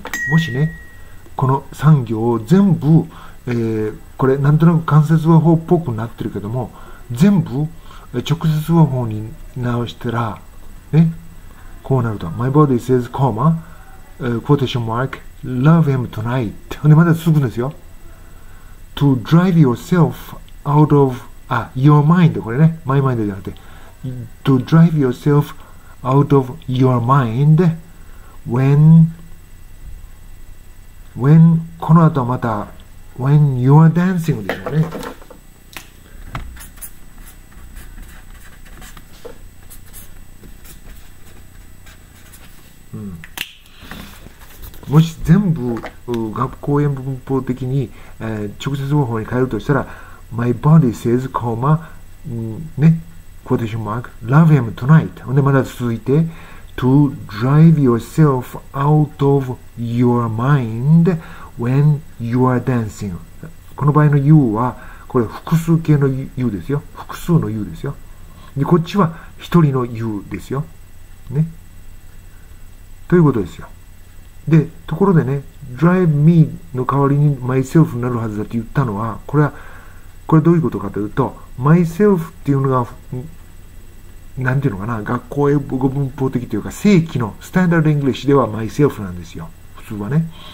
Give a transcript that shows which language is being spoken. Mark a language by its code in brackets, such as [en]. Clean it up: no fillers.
[ja] もしね、この産業を全部、これなんとなく間接話法っぽくなってるけども、全部直接話法に直したら、ね、こうなると、 [en] My body says comma quotation markLove him tonight. [ja] で、まだ続くんですよ。 [en] To drive yourself out of your mind. [ja] これね。 My mind じゃなくて。 [en] To drive yourself out of your mind when [ja] この後はまた [en] when you are dancing [ja] でしょうね。もし全部学校英文法的に、直接方法に変えるとしたら、 [en] My body says, comma, [ja] ね、 [en] quotation mark, love him tonight. [ja] ほんで、まだ続いて、 [en] To drive yourself out of your mind when you are dancing. [ja] この場合の you は、これ複数形の you ですよ。複数の you ですよ。で、こっちは一人の you ですよ。ね。ということですよ。で、ところでね、drive me の代わりに myself になるはずだって言ったのは、これはどういうことかというと、myself っていうのが、なんていうのかな、学校英語文法的というか、正規の standard English では myself なんですよ。普通はね。